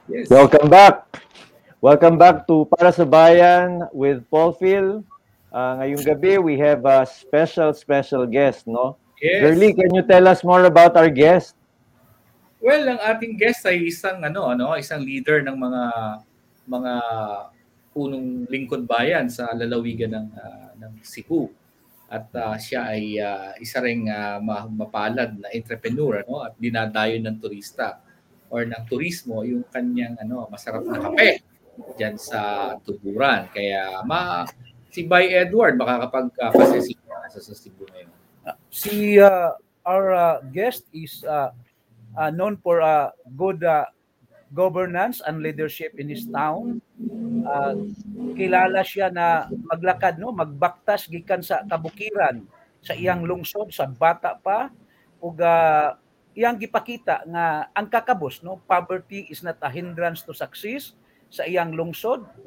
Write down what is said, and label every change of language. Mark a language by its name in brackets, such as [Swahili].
[English] Welcome back. Welcome back to Para sa Bayan with Paul Phil. [Filipino] Ngayong gabi, [English] we have a special guest, no? Yes. Girlie, can you tell us more about our guest? [Filipino] Well, ang ating guest ay isang leader ng mga punong lingkod bayan sa lalawigan ng Cebu. At siya ay isa ring mapalad na entrepreneur, no? At dinadayo ng turista or ng turismo yung kanyang masarap na kape diyan sa Tuburan. Kaya si Bay Edward makakapag-pasesyon sa Cebu ngayon. [English] Si our guest is known for good governance and leadership in his town. [Cebuano] Kilala siya na maglakad, no, magbaktas gikan sa kabukiran sa iyang lungsod sa bata pa ug iyang gipakita nga ang kakabos, no, [English] poverty is not a hindrance to success [Cebuano] sa iyang lungsod.